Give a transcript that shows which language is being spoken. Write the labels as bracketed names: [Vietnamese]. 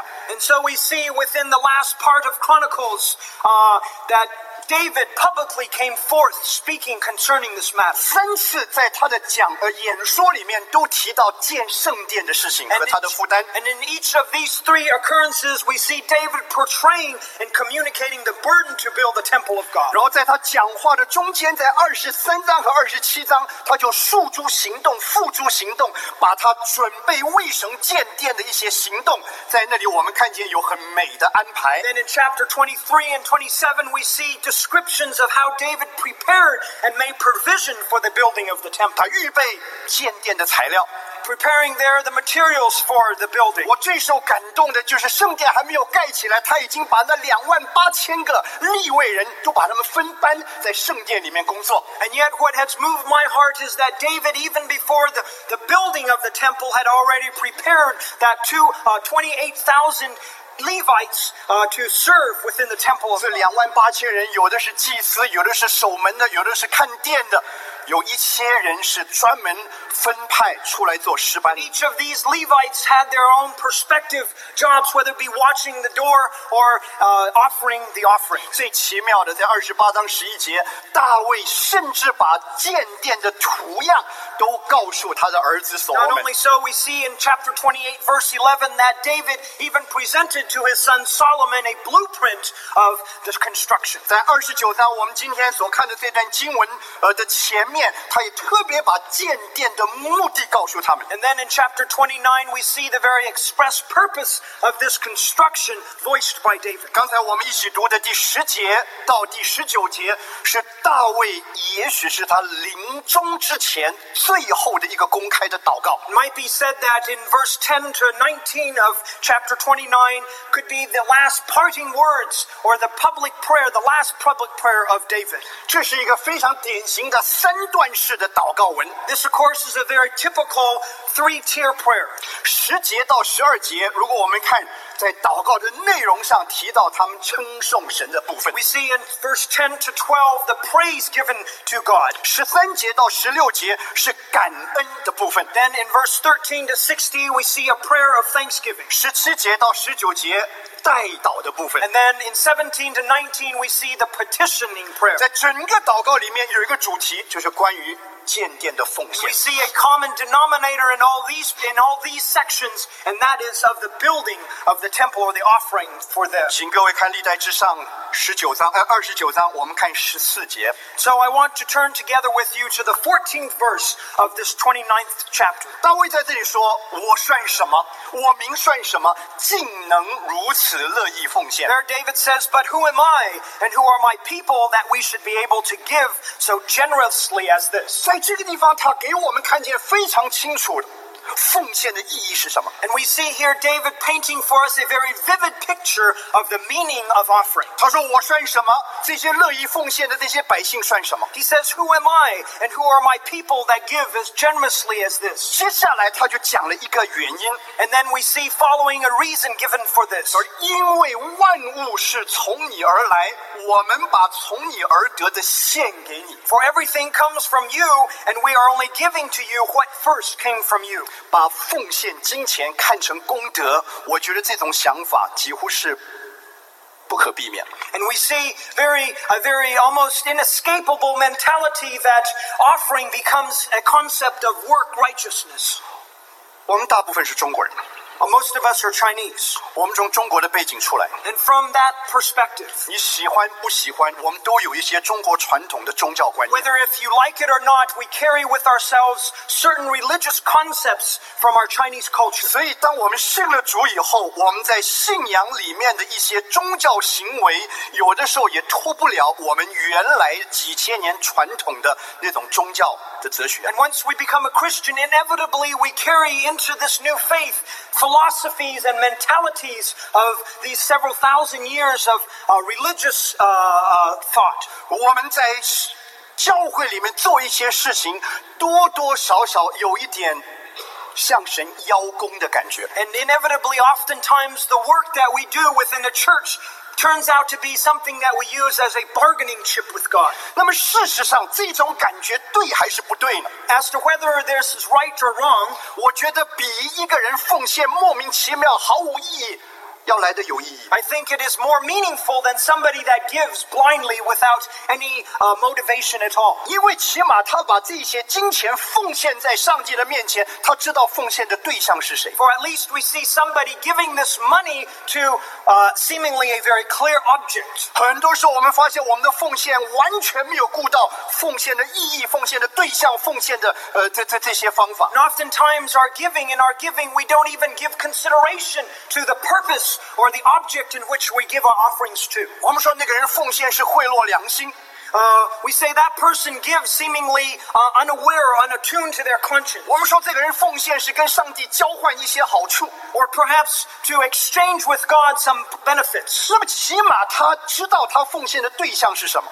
[English] And so we see within the last part of Chronicles, that David publicly came forth speaking concerning this matter. [Chinese] 三次在他的讲演说里面都提到建圣殿的事情和他的负担。 [English] And in each of these three occurrences, we see David portraying and communicating the burden to build the temple of God. [Chinese] 然后在他讲话的中间，在二十三章和二十七章，他就诉诸行动，付诸行动，把他准备为神建殿的一些行动，在那里我们看见有很美的安排。 [English] Then in chapter 23 and 27, we see descriptions of how David prepared and made provision for the building of the temple. [Chinese] 他预备建殿的材料。 [English] Preparing there the materials for the building. [Chinese] 我最受感动的就是圣殿还没有盖起来，他已经把那两万八千个利未人都把他们分班在圣殿里面工作。 [English] And yet what has moved my heart is that David, even before the building of the temple, had already prepared that 28,000Levites to serve within the temple. [Chinese] 这两万八千人，有的是祭司，有的是守门的，有的是看殿的，有一些人是专门分派出来做事班。 [English] Each of these Levites had their own perspective jobs, whether it be watching the door or offering the offering. [Chinese] 最奇妙的，在二十八章十一节，大卫甚至把建殿的图样都告诉他的儿子所罗门。 [English] Not only so, we see in chapter 28, verse 11, that David even presented to his son Solomon a blueprint of the construction. [Chinese] 在二十九章我们今天所看的这段经文的前面，他也特别把建殿的目的告诉他们。 [English] And then in chapter 29, we see the very express purpose of this construction voiced by David. [Chinese] 刚才我们一起读的第十节到第十九节，是大卫也许是他临终之前最后的一个公开的祷告。 [English] It might be said that in verse 10 to 19 of chapter 29could be the last parting words or the public prayer, the last public prayer of David. [Chinese] 这是一个非常典型的三段式的祷告文。 [English] This, of course, is a very typical three-tier prayer. [Chinese] 十节到十二节，如果我们看在祷告的内容上提到他们称颂神的部分。 [English] We see in verse 10 to 12 the praise given to God. [Chinese] 十三节到十六节是感恩的部分。 [English] Then in verse 13 to 60 we see a prayer of thanksgiving. [Chinese] 十七节到十九节代祷的部分。 [English] And then in 17 to 19 we see the petitioning prayer. [Chinese] 在整个祷告里面有一个主题，就是关于建殿的奉献。 [English] We see a common denominator in all these sections, and that is of the building of the temple or the offering for them. [Chinese] 请各位看历代志上十九章，二十九章，我们看十四节。 [English] So I want to turn together with you to the 14th verse of this 29th chapter. [Chinese] 大卫在这里说：“我算什么？我名算什么？竟能如此乐意奉献 [English] ？”There David says, "But who am I, and who are my people that we should be able to give so generously as this?" [Chinese] 在这个地方，他给我们看见非常清楚的，奉献的意义是什么。 [English] And we see here David painting for us a very vivid picture of the meaning of offering. [Chinese] 他说我算什么？这些乐意奉献的这些百姓算什么 [English] ？He says, "Who am I, and who are my people that give as generously as this?" [Chinese] 接下来他就讲了一个原因。 [English] And then we see following a reason given for this. [Chinese] 而因为万物是从你而来，我们把从你而得的献给你。 [English] For everything comes from you, and we are only giving to you what first came from you. [Chinese] 把奉献金钱看成功德，我觉得这种想法几乎是不可避免。 [English] And we see a very almost inescapable mentality that offering becomes a concept of work righteousness. [Chinese] 我们大部分是中国人。 [English] Most of us are Chinese. [Chinese] 我们从中国的背景出来。 [English] And from that perspective, [Chinese] 你喜欢不喜欢，我们都有一些中国传统的宗教观念。 [English] Whether if you like it or not, we carry with ourselves certain religious concepts from our Chinese culture. [Chinese] 所以，当我们信了主以后，我们在信仰里面的一些宗教行为，有的时候也脱不了我们原来几千年传统的那种宗教的哲学。 [English] And once we become a Christian, inevitably we carry into this new faith. Philosophies and mentalities of these several thousand years of religious thought. [Chinese] 我们在教会里面做一些事情，多多少少有一点向神邀功的感觉。 [English] And inevitably, oftentimes, the work that we do within the church. Turns out to be something that we use as a bargaining chip with God. [Chinese] 那么事实上，这种感觉对还是不对呢？ [English] As to whether this is right or wrong, [Chinese] 我觉得比一个人奉献莫名其妙毫无意义要来得有意义。 [English] I think it is more meaningful than somebody that gives blindly without any motivation at all. [Chinese] 因为起码他把这些金钱奉献在上帝的面前，他知道奉献的对象是谁。 [English] For at least we see somebody giving this money to seemingly a very clear object. [Chinese] 很多时候我们发现我们的奉献完全没有顾到奉献的意义、奉献的对象、奉献的这些方法。 [English] And oftentimes our giving and our giving we don't even give consideration to the purpose. Or the object in which we give our offerings to. [Chinese] 我们说那个人奉献是贿赂良心。 [English] We say that person gives seemingly unaware or unattuned to their conscience. [Chinese] 我们说这个人奉献是跟上帝交换一些好处。 [English] Or perhaps to exchange with God some benefits. [Chinese] 那么起码他知道他奉献的对象是什么。